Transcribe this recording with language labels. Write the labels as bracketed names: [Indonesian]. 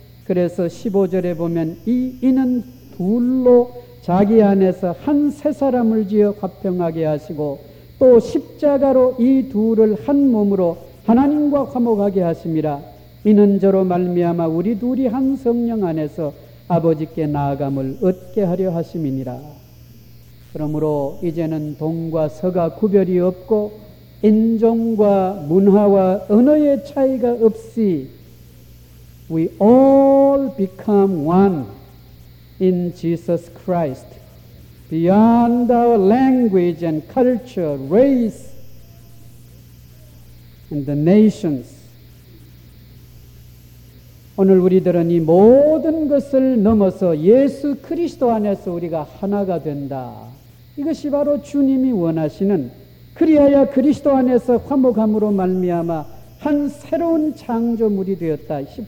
[Korean] 그래서 15절에 보면 이는 둘로 자기 안에서 한 새 사람을 지어 화평하게 하시고 또 십자가로 이 둘을 한 몸으로 하나님과 화목하게 하십니다. 이는 저로 말미암아 우리 둘이 한 성령 안에서 아버지께 나아감을 얻게 하려 하심이니라. 그러므로 이제는 동과 서가 구별이 없고 인종과 문화와 언어의 차이가 없이 [English] We all become one in Jesus Christ beyond our language and culture, race and the nations. [Korean] 오늘 우리들은 이 모든 것을 넘어서 예수 그리스도 안에서 우리가 하나가 된다. 이것이 바로 주님이 원하시는 그리하여 그리스도 안에서 화목함으로 말미암아 한 새로운 창조물이 되었다.